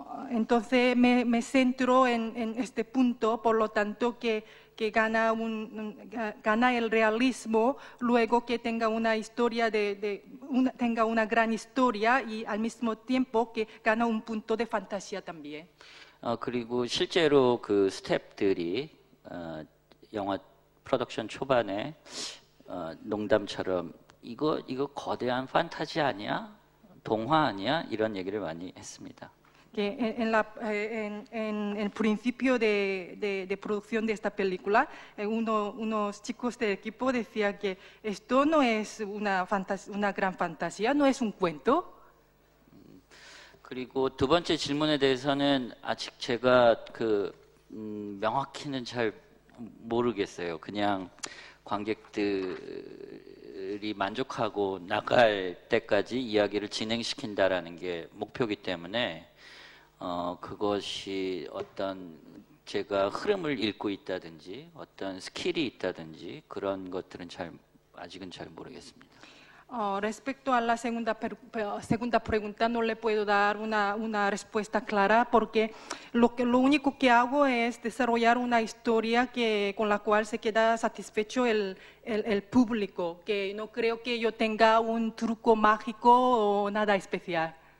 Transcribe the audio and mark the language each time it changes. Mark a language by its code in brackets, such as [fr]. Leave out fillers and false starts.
[es] Entonces me centro en este punto, por lo tanto que gana el realismo luego que tenga una historia tenga una gran historia y al mismo tiempo que gana un punto de fantasía también. [ko] 그리고 실제로 그 스태프들이 영화 프로덕션 초반에 농담처럼 이거 거대한 판타지 아니야? 동화 아니야? 이런 얘기를 많이 했습니다. [es] Que en el principio de producción de esta película, unos chicos del equipo decía que esto no es una gran fantasía, no es un cuento. [ko] 그리고 두 번째 질문에 대해서는 아직 제가 명확히는 잘 모르겠어요. 그냥 관객들이 만족하고 나갈 때까지 이야기를 진행시킨다라는 게 목표이기 때문에 그것이 어떤 제가 흐름을 읽고 있다든지 어떤 스킬이 있다든지 그런 것들은 아직은 잘 모르겠습니다. [es] Respecto a la segunda pregunta, no le puedo dar una respuesta clara porque lo único que hago es desarrollar una historia con la cual se queda satisfecho el público, que no creo que yo tenga un truco mágico o nada especial.